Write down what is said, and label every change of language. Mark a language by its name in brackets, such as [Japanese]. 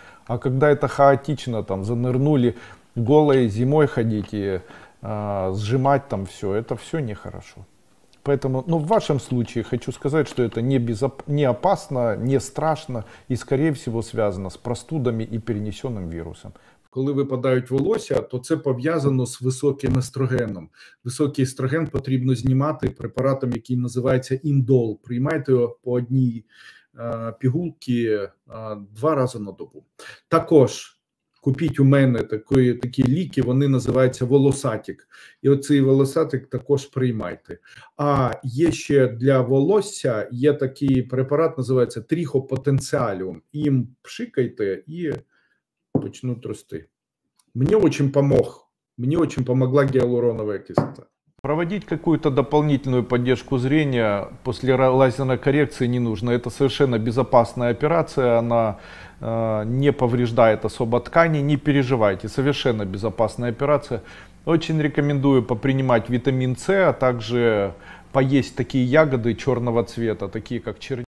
[Russian] А когда это хаотично, там, занырнули голые зимой ходить и сжимать там все, это все нехорошо. Поэтому, в вашем случае хочу сказать, что это не опасно, не страшно и, скорее всего, связано с простудами и перенесенным вирусом. [Ukrainian] Коли випадають волосся, то це пов'язано з високим естрогеном. Високий естроген потрібно знімати препаратом, який називається індол. Приймайте його по одній пігулці два рази на добу. Також купіть у мене такі ліки, вони називаються волосатик. І оцей волосатик також приймайте. А є ще для волосся, є такий препарат, називається трихопотенціаліум. Їм пшикайте і почнуть рости. Мені дуже помогла гіалуронова кислота. [Russian] Проводить какую-то дополнительную поддержку зрения после лазерной коррекции не нужно. Это совершенно безопасная операция, она не повреждает особо ткани, не переживайте. Совершенно безопасная операция. Очень рекомендую попринимать витамин С, а также поесть такие ягоды черного цвета, такие как чернила.